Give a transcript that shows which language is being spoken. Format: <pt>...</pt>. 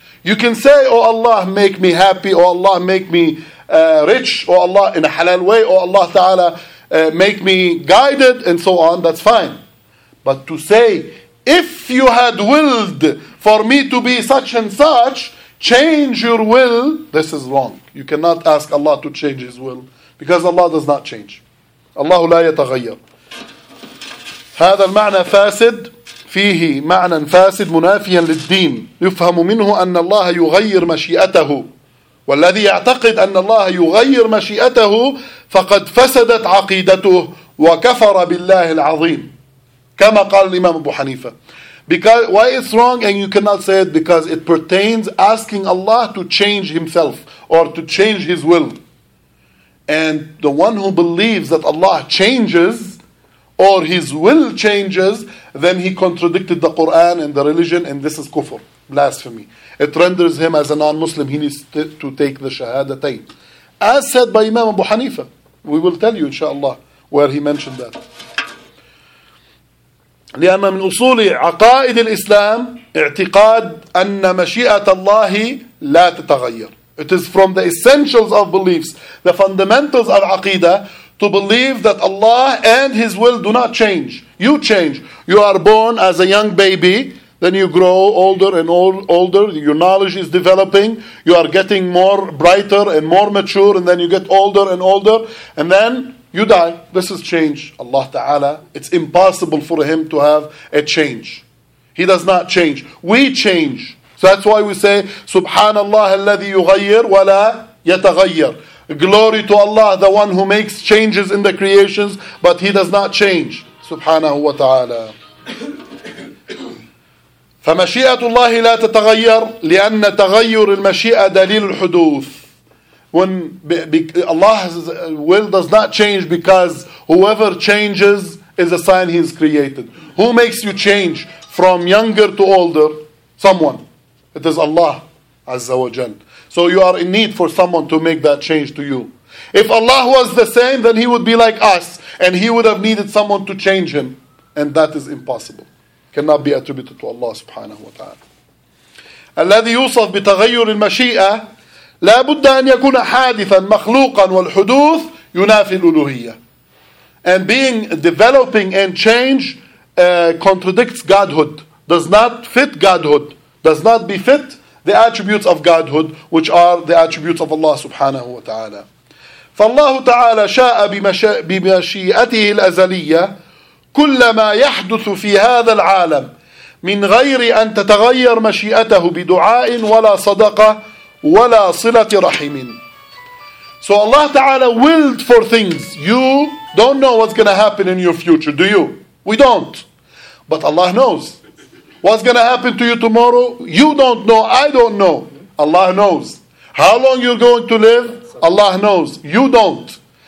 <en>You can say, oh Allah, make me happy, oh Allah, make me rich, oh Allah, in a halal way, oh Allah Ta'ala, make me guided, and so on, that's fine. But to say, if you had willed for me to be such and such, change your will, this is wrong. You cannot ask Allah to change His will, because Allah does not change.</en> <ar>Allah la yataghayyar. هذا المعنى فاسد. فيه معنى فاسد منافيا للدين يفهم منه أن الله يغير مشيئته والذي يعتقد أن الله يغير مشيئته فقد فسدت عقيدته وكفر بالله العظيم كما قال الإمام أبو حنيفة.</ar> <en>Because, why it's wrong and you cannot say it? Because it pertains asking Allah to change himself or to change his will. And the one who believes that Allah changes or his will changes, then he contradicted the Quran and the religion, and this is kufr, blasphemy. It renders him as a non-Muslim. He needs to take the shahadatayn. As said by Imam Abu Hanifa, we will tell you, inshallah, where he mentioned that.</en> <ar>لأن من أصول عقائد الإسلام اعتقاد أن مشيئة الله لا تتغير.</ar> <en>It is from the essentials of beliefs, the fundamentals of aqidah, to believe that Allah and His will do not change. You change. You are born as a young baby, then you grow older and older, your knowledge is developing, you are getting more brighter and more mature, and then you get older and older, and then you die. This is change. Allah Ta'ala, it's impossible for Him to have a change. He does not change. We change. So that's why we say,</en> <ar>Subhanallah alladhi yughayyir wa la yataghayyir.</ar> <en>Glory to Allah, the one who makes changes in the creations, but he does not change.</en> <ar>Subhanahu wa ta'ala. فمشيئة الله لا تتغير لأن تغير المشيئة دليل الحدوث.</ar> <en>When Allah's will does not change because whoever changes is a sign he is created. Who makes you change from younger to older? Someone. It is Allah Azza wa Jal. So you are in need for someone to make that change to you. If Allah was the same, then he would be like us and he would have needed someone to change him. And that is impossible. Cannot be attributed to Allah subhanahu wa ta'ala.</en> <ar>الذي يوصف بتغير المشيئة لا بد أن يكون حادثا مخلوقا والحدوث ينافي الألوهية.</ar> <en>And being developing and change contradicts Godhood. Does not fit Godhood. Does not befit the attributes of Godhood, which are the attributes of Allah subhanahu wa ta'ala.</en> <ar>فالله تعالى شاء بمشيئته الأزلية كلما يحدث في هذا العالم من غير أن تتغير مشيئته بدعاء ولا صدقة ولا صلة رحم.</ar> <en>So Allah Ta'ala willed for things. You don't know what's going to happen in your future, do you? We don't. But Allah knows. What's going to happen to you tomorrow? You don't know. I don't know. Allah knows. How long you're going to live? Allah knows. You don't.</en>